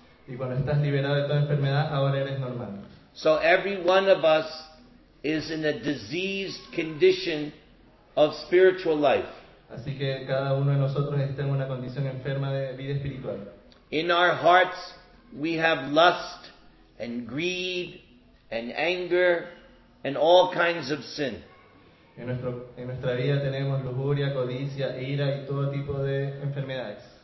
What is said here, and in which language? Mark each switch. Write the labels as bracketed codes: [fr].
[es] Y cuando estás liberado de toda enfermedad, ahora eres normal. [en] So every one of us is in a diseased condition of spiritual life. [es] Así que cada uno de nosotros está en una condición enferma de vida espiritual. [en] In our hearts, we have lust and greed and anger and all kinds of sin. [es] En nuestra vida tenemos lujuria, codicia, ira y todo tipo de enfermedades.